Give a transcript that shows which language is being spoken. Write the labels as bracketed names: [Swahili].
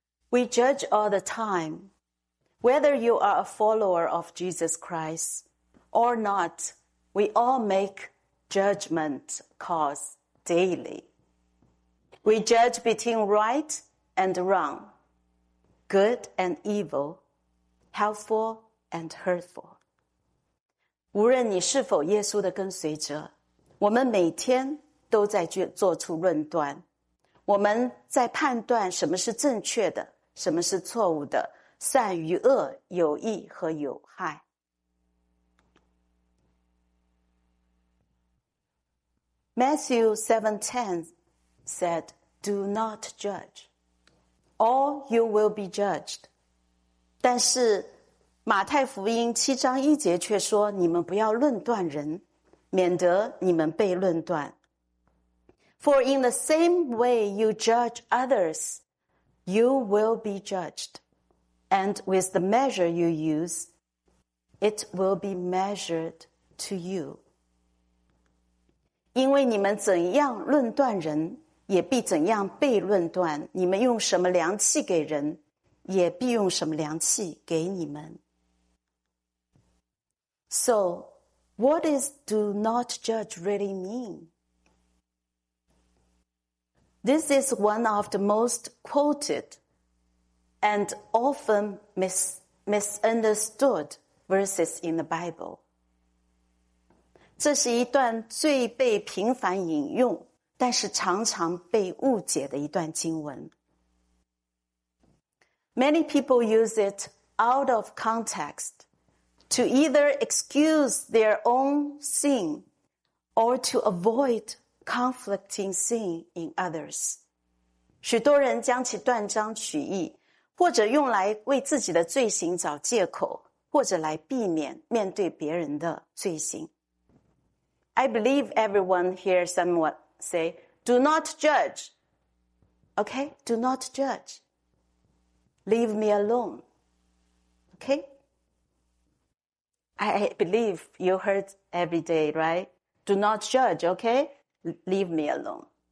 [English] We judge all the time, whether you are a follower of Jesus Christ,or not, we all make judgment calls daily. We judge between right and wrong, good and evil, helpful and hurtful. [Chinese] 无论你是否耶稣的跟随者，我们每天都在做出论断。我们在判断什么是正确的，什么是错误的，善与恶，有益和有害。 [English] Matthew 7:10 said, Do not judge, or you will be judged. [Chinese] 但是马太福音七章一节却说，你们不要论断人，免得你们被论断。 [English] For in the same way you judge others, you will be judged. And with the measure you use, It will be measured to you. [Chinese] 因为你们怎样论断人，也必怎样被论断。你们用什么量器给人，也必用什么量器给你们。 [English] So, what does do not judge really mean? This is one of the most quoted and often misunderstood verses in the Bible. [Chinese] 这是一段最被频繁引用，但是常常被误解的一段经文。 [English] Many people use it out of context to either excuse their own sin or to avoid conflicting sin in others. [Chinese] 许多人将其断章取义，或者用来为自己的罪行找借口，或者来避免面对别人的罪行。 [English] I believe everyone hears someone say, do not judge. Okay? Do not judge. Leave me alone. Okay? I believe you heard every day, right? Do not judge, okay? Leave me alone.